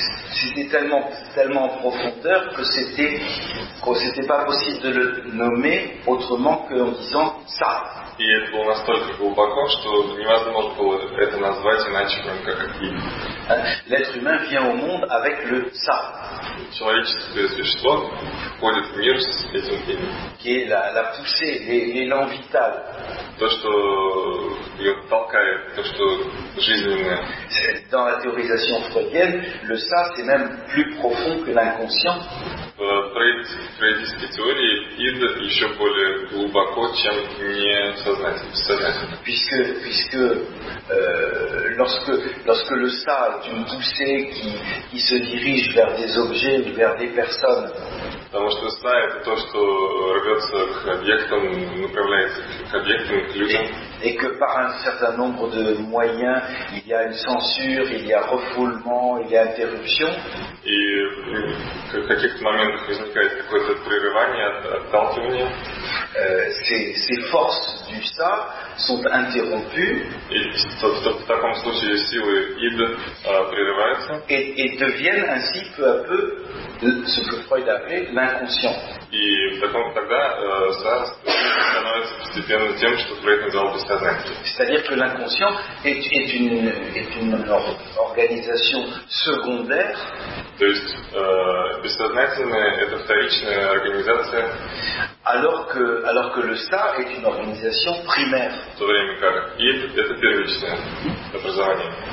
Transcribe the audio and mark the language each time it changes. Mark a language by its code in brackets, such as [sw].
[fr] C'était tellement en profondeur que c'était pas possible de le nommer autrement qu'en disant ça. [ru] И это было настолько глубоко, что невозможно было это назвать иначе, кроме как ид. [fr] L'être humain vient au monde avec le ça. [ru] Человеческое существо входит в мир с этим именем. [fr] Qui est la poussée, l'élan vital. [ru] То, что ее толкает, то, что жизненное. [fr] Dans la théorisation freudienne, le ça, c'est même plus profond que l'inconscient. [ru] В фрейдистской теории ид еще более глубоко, чем не сознательно. [fr] Puisque lorsque le ça d'une poussée qui se dirige vers des objets ou vers des personnes. [ru] Потому что ça, это то, что рвется к объектам, направляется к [fr] et que par un certain nombre de moyens, il y a une censure, il y a refoulement, il y a interruption. [ru] Et в каких-то моментах возникает какое-то прерывание, отталкивание. [fr] Ces forces du ça sont interrompues. [ru] В таком случае силы ид прерываются. [fr] Et deviennent ainsi peu à peu ce que Freud appelait l'inconscient. [ru] И тогда ça становится постепенно тем, что Фрейд назвал бессознательным. [fr] C'est-à-dire que l'inconscient est une organisation secondaire. [ru] То есть бессознательное – это вторичная организация. [fr] Alors que le ça est une organisation primaire. [ru] В то время как ид – это первичное образование.